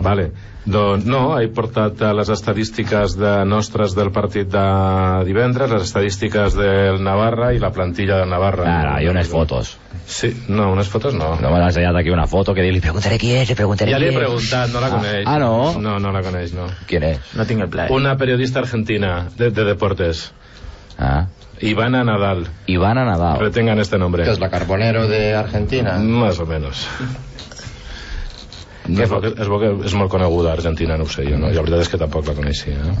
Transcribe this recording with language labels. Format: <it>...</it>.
<ca>Vale. Doncs no, he portat les estadístiques de nostres del partit de divendres, les estadístiques del Navarra i la plantilla del Navarra. Ara, i unes fotos. Sí, no, unes fotos no. No m'han ensenyat aquí una foto que li preguntaré qui és, Ja li he preguntat, no la coneix. Ah, no? No la coneix, no. Quién és? No tinc el plaer.</ca> <es>Una periodista argentina de deportes. Ivana Nadal. Ivana Nadal. Retengan este nombre. ¿Es la Carbonero de Argentina? Más o menos.</es> <ca>No, és molt coneguda a Argentina, no ho sé jo, no? I la veritat és que tampoc la coneixia.</ca>